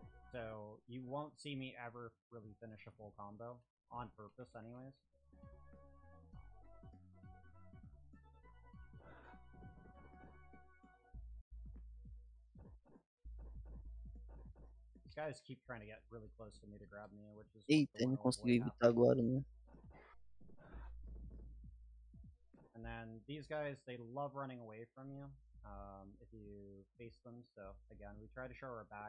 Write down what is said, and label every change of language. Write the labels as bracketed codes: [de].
[en] So you won't see me ever really finish a full combo on purpose, anyways. These guys keep trying to get really close to me to grab me, which is. [pt] Eita, não consegui evitar agora, né? [en] And then these guys, they love running away from you if you face them. So again, we try to show our back.